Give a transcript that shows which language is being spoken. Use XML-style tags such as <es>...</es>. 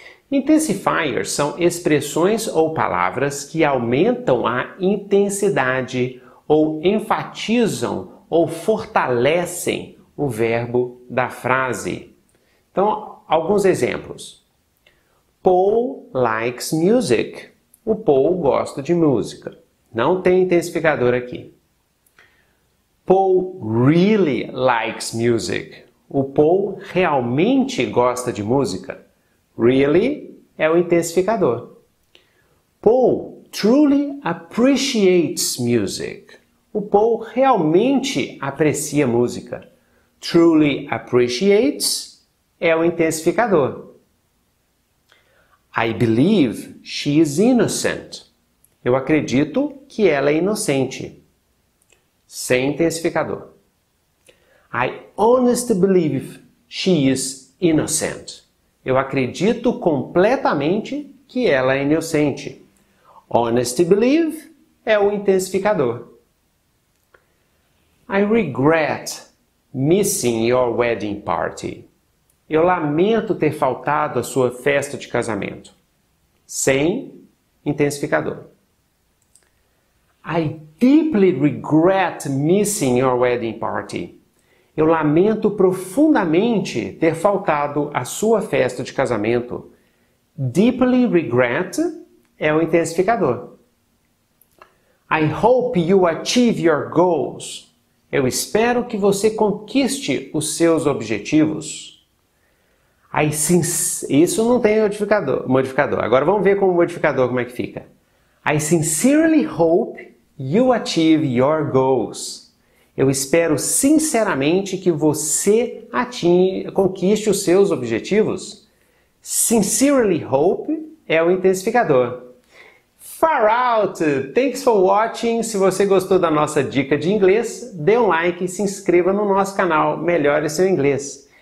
<pt>Intensifiers são expressões ou palavras que aumentam a intensidade ou enfatizam ou fortalecem o verbo da frase. Então, alguns exemplos.</pt> <en>Paul likes music.</en> <pt>O Paul gosta de música. Não tem intensificador aqui.</pt> <en>Paul really likes music.</en> <pt>O Paul realmente gosta de música. Really é o intensificador.</pt> <en>Paul truly appreciates music.</en> <pt>O Paul realmente aprecia música. Truly appreciates é o intensificador.</pt> <en>I believe she is innocent.</en> <pt>Eu acredito que ela é inocente. Sem intensificador.</pt> <en>I honestly believe she is innocent.</en> <pt>Eu acredito completamente que ela é inocente. Honestly believe é o intensificador.</pt> <en>I regret missing your wedding party.</en> <pt>Eu lamento ter faltado a sua festa de casamento. Sem intensificador.</pt> <en>I deeply regret missing your wedding party.</en> <pt>Eu lamento profundamente ter faltado a sua festa de casamento. Deeply regret é o intensificador.</pt> <en>I hope you achieve your goals.</en> <pt>Eu espero que você conquiste os seus objetivos. Isso não tem modificador. Agora vamos ver com o modificador como é que fica.</pt> <en>I sincerely hope you achieve your goals.</en> <pt>Eu espero sinceramente que você conquiste os seus objetivos. Sincerely hope é o intensificador.</pt> <en>Far out! Thanks for watching.</en> <pt>Se você gostou da nossa dica de inglês, dê um like e se inscreva no nosso canal Melhore Seu Inglês.</pt>